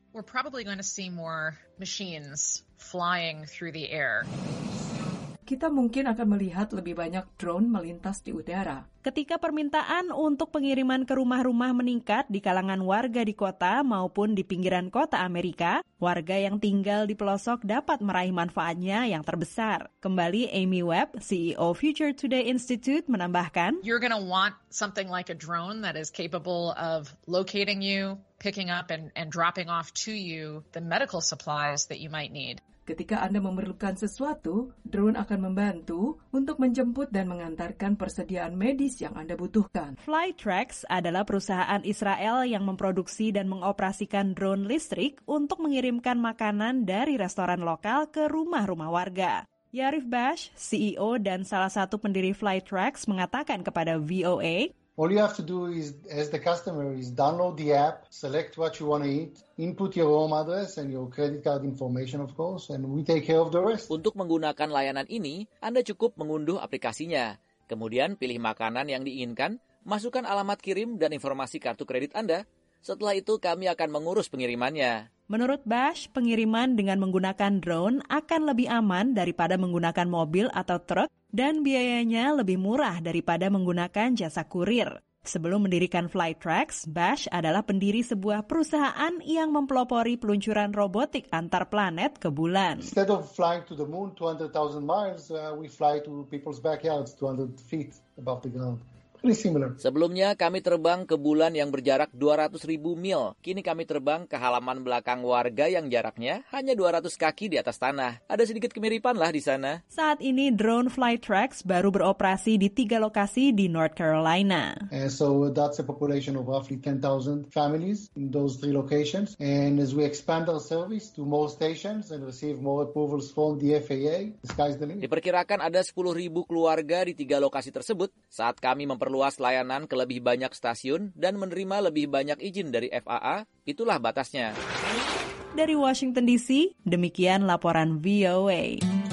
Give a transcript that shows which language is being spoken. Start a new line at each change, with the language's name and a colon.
English: "We're probably going to see more machines flying through the air."
Indonesian: Kita mungkin akan melihat lebih banyak drone melintas di udara. Ketika permintaan untuk pengiriman ke rumah-rumah meningkat di kalangan warga di kota maupun di pinggiran kota Amerika, warga yang tinggal di pelosok dapat meraih manfaatnya yang terbesar. Kembali Amy Webb, CEO Future Today Institute, menambahkan,
English: "You're going to want something like a drone that is capable of locating you, picking up and dropping off to you the medical supplies that you might need."
Indonesian: Ketika Anda memerlukan sesuatu, drone akan membantu untuk menjemput dan mengantarkan persediaan medis yang Anda butuhkan. Flytrax adalah perusahaan Israel yang memproduksi dan mengoperasikan drone listrik untuk mengirimkan makanan dari restoran lokal ke rumah-rumah warga. Yarif Bash, CEO dan salah satu pendiri Flytrax, mengatakan kepada VOA,
English: "All you have to do is, as the customer, is download the app, select what you want to eat, input your home address and your credit card information, of course, and we take care of the rest."
Indonesian: Untuk menggunakan layanan ini, Anda cukup mengunduh aplikasinya. Kemudian pilih makanan yang diinginkan, masukkan alamat kirim dan informasi kartu kredit Anda. Setelah itu, kami akan mengurus pengirimannya. Menurut Bash, pengiriman dengan menggunakan drone akan lebih aman daripada menggunakan mobil atau truk dan biayanya lebih murah daripada menggunakan jasa kurir. Sebelum mendirikan Flytrax, Bash adalah pendiri sebuah perusahaan yang mempelopori peluncuran robotik antar planet ke bulan.
English: Instead of flying to the moon 200,000 miles, we fly to people's backyards 200 feet above the ground. Pretty similar.
Indonesian: Sebelumnya kami terbang ke bulan yang berjarak 200.000 mil. Kini kami terbang ke halaman belakang warga yang jaraknya hanya 200 kaki di atas tanah. Ada sedikit kemiripan lah di sana. Saat ini drone Flytrax baru beroperasi di 3 lokasi di North Carolina.
English: So that's a population of roughly 10,000 families in those 3 locations. And as we expand our service to more stations and receive more approvals from the FAA, the sky's the limit.
Indonesian: Diperkirakan ada 10.000 keluarga di 3 lokasi tersebut saat kami memperluas layanan ke lebih banyak stasiun dan menerima lebih banyak izin dari FAA, itulah batasnya. Dari Washington DC, demikian laporan VOA.